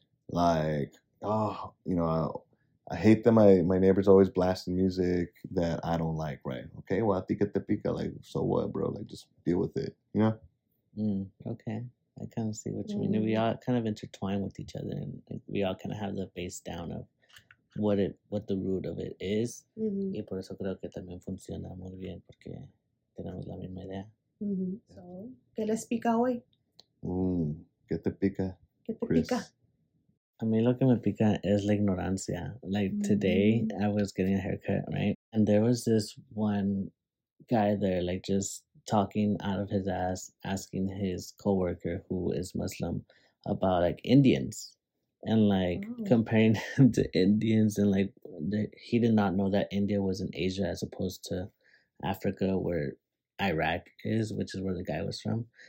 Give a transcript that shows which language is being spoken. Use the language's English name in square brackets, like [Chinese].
[English] Like, oh, you know, I hate that my neighbor's always blasting music that I don't like, right? Okay, well, I think [Spanish] ¿qué te pica? [English] Like, so what, bro? Like, just deal with it, you know? Mm, okay. I kind of see what you mean. We all kind of intertwine with each other, and we all kind of have the base down of what the root of it is. Mm-hmm. [Spanish] Y por eso creo que también funciona muy bien, porque tenemos la misma idea. Mm-hmm. So, ¿qué les pica hoy? ¿Qué te pica? ¿Qué te pica? A mí lo que me pica es la ignorancia. [English] Like, today, I was getting a haircut, right? And there was this one guy there, like, just talking out of his ass, asking his coworker who is Muslim about like Indians and like comparing him to Indians, and like he did not know that India was in Asia as opposed to Africa, where Iraq is, which is where the guy was from.